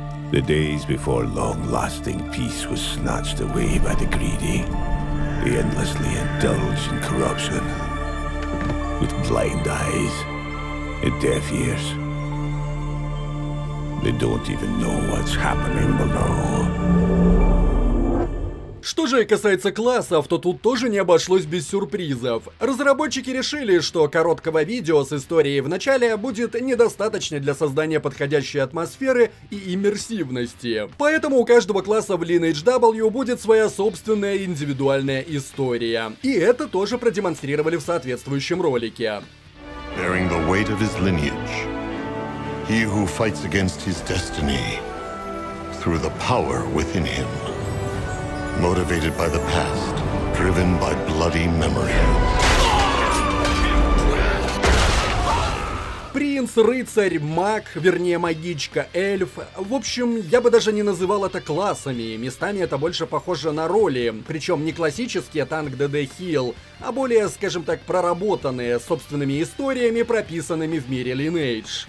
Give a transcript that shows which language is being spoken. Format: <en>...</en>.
<en>The days before long-lasting peace was snatched away by the greedy. They endlessly indulged in corruption. With blind eyes and deaf ears. They don't even know what's happening below.</en> <ru>Что же касается классов, то тут тоже не обошлось без сюрпризов. Разработчики решили, что короткого видео с историей в начале будет недостаточно для создания подходящей атмосферы и иммерсивности. Поэтому у каждого класса в Lineage W будет своя собственная индивидуальная история. И это тоже продемонстрировали в соответствующем ролике.</ru> <en>Bearing the weight of his lineage, he who fights against his destiny through the power within him. Motivated by the past, driven by bloody memory.</en> <ru>Принц, рыцарь, маг, вернее магичка, эльф. В общем, я бы даже не называл это классами. Местами это больше похоже на роли. Причем не классические танк ДД хил, а более, скажем так, проработанные собственными историями, прописанными в мире Lineage.</ru>